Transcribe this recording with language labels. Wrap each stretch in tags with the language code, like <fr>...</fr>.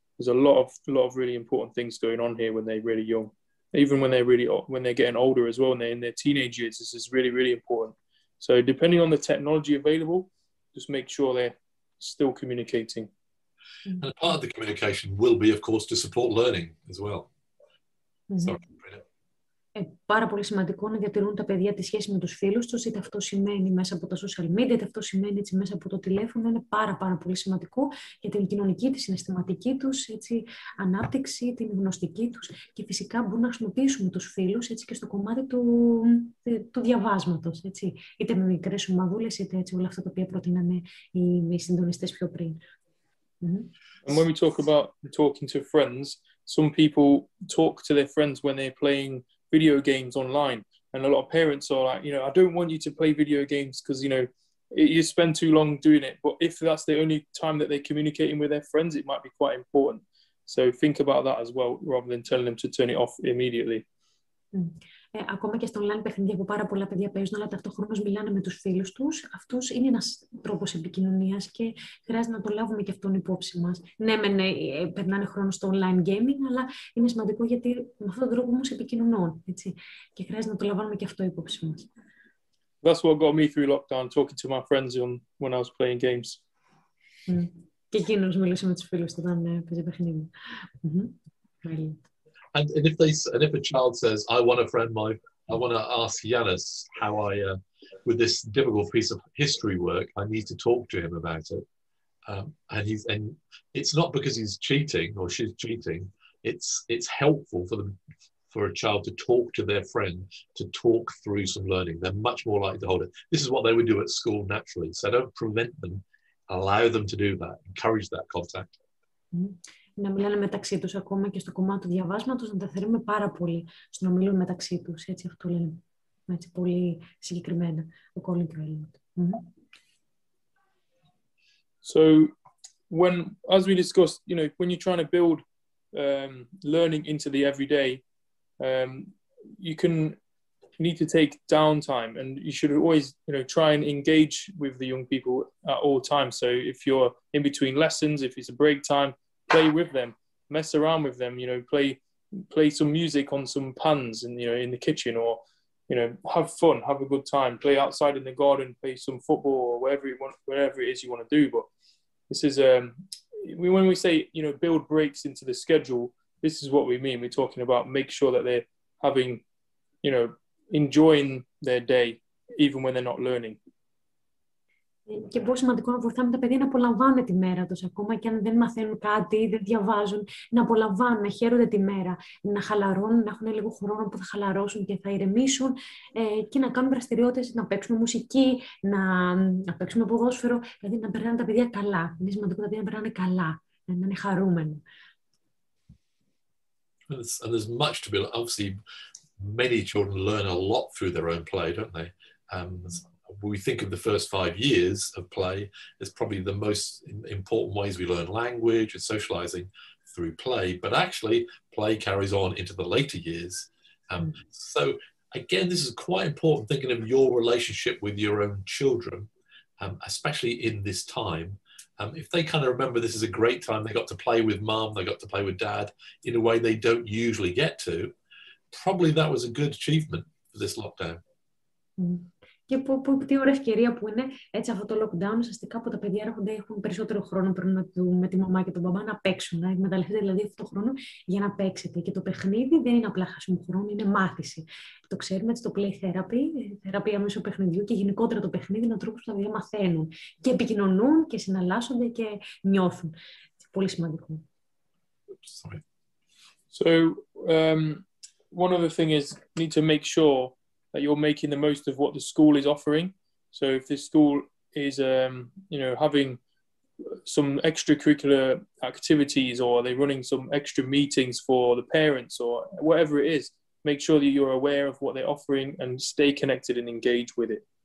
<en>There's a lot of really important things going on here when they're really young, even when they're really when they're getting older as well, when they're in their teenage years. This is really, really important. So depending on the technology available, just make sure they're still communicating. And part of the communication will be, of course, to support learning as well.</en> <el>Πάρα πολύ σημαντικό να διατηρούν τα παιδιά τη σχέση με τους φίλους τους, είτε αυτό σημαίνει μέσα από τα social media, είτε αυτό σημαίνει έτσι, μέσα από το τηλέφωνο. Είναι πάρα πάρα πολύ σημαντικό για την κοινωνική, τη συναισθηματική τους ανάπτυξη, την γνωστική τους, και φυσικά μπορούν να χρησιμοποιήσουν τους φίλους και στο κομμάτι του διαβάσματος. Είτε με μικρές ομαδούλες, είτε έτσι, όλα αυτά τα οποία προτείνανε οι συντονιστές πιο πριν.</el> <en>And when we talk about talking to friends, some people talk to their friends when they're playing video games online, and a lot of parents are like, you know, I don't want you to play video games because, you know, you spend too long doing it. But if that's the only time that they're communicating with their friends, it might be quite important. So think about that as well, rather than telling them to turn it off immediately.</en> <el>Ακόμα και στο online παιχνίδια που πάρα πολλά παιδιά παίζουν, αλλά ταυτόχρονα μιλάνε με τους φίλους τους, αυτός είναι ένας τρόπος επικοινωνίας και χρειάζεται να το λάβουμε και αυτόν υπόψη μας. Ναι, περνάνε χρόνο στο online gaming, αλλά είναι σημαντικό γιατί με αυτόν τον τρόπο όμως επικοινωνούν. Έτσι, και χρειάζεται να το λαμβάνουμε και αυτό υπόψη μας.</el> <en>That's what got me through lockdown, talking to my friends when I was playing games.</en> <el>Και εκείνος μιλούσε με τους φίλους του όταν παίζει παιχνίδια.</el> <en>And if a child says, "I want a friend, I want to ask Yanis how I, with this difficult piece of history work, I need to talk to him about it," and it's not because he's cheating or she's cheating. It's helpful for a child to talk to their friend, to talk through some learning. They're much more likely to hold it. This is what they would do at school naturally. So don't prevent them. Allow them to do that. Encourage that contact. Mm-hmm.</en> <el>Να μιλάνε μεταξύ τους, ακόμα και στο κομμάτι του διαβάσματος, να τα θερούμε πάρα πολύ στο να μιλούν μεταξύ τους. Έτσι αυτό λένε, έτσι, πολύ συγκεκριμένα, ο Colin και ο Elliot.</el> <en>So, when, as we discussed, you know, when you're trying to build learning into the everyday, you can you need to take downtime, and you should always, you know, try and engage with the young people at all times. So if you're in between lessons, if it's a break time, play with them, mess around with them, you know, play some music on some pans, and you know, in the kitchen, or you know, have fun, have a good time, play outside in the garden, play some football, or whatever it is you want to do. But this is when we say, you know, build breaks into the schedule, this is what we mean. We're talking about make sure that they're having, you know, enjoying their day even when they're not learning.</en> <el>Και πόσο σημαντικό να βοηθάμε τα παιδιά να απολαμβάνουν τη μέρα τους, ακόμα και αν δεν μαθαίνουν κάτι ή δεν διαβάζουν, να απολαμβάνουν, να χαίρονται τη μέρα, να χαλαρώνουν, να έχουν λίγο χρόνο που θα χαλαρώσουν και θα ηρεμήσουν και να κάνουν δραστηριότητες, να παίξουμε μουσική, να παίξουμε ποδόσφαιρο, δηλαδή να περνάνε τα παιδιά καλά. Είναι σημαντικό τα παιδιά να περνάνε καλά, να είναι χαρούμενοι.</el> <en>And there's much to be learned. Obviously, many children learn a lot through their own play, don't they? We think of the first 5 years of play as probably the most important ways we learn language and socializing through play. But actually, play carries on into the later years. So again, this is quite important, thinking of your relationship with your own children, especially in this time. If they kind of remember this is a great time, they got to play with mom, they got to play with dad in a way they don't usually get to, probably that was a good achievement for this lockdown.</en> <el>Και τι ωραία ευκαιρία που είναι έτσι αυτό το lockdown, ουσιαστικά που τα παιδιά έχουν περισσότερο χρόνο πριν με τη μαμά και τον μπαμπά να παίξουν, να εκμεταλλευτείτε δηλαδή αυτό το χρόνο για να παίξετε. Και το παιχνίδι δεν είναι απλά χάσιμο χρόνο, είναι μάθηση. Το ξέρουμε έτσι το play therapy, θεραπεία μέσω παιχνιδιού και γενικότερα το παιχνίδι είναι ο τρόπος που τα παιδιά μαθαίνουν και επικοινωνούν και συναλλάσσονται και νιώθουν. Πολύ σημαντικό.</el> <en>So, one other thing is need to make sure that you're making the most of what the school is offering. So if this school is, you know, having some extracurricular activities, or they're running some extra meetings for the parents or whatever it is, make sure that you're aware of what they're offering and stay connected and engage with it.</en>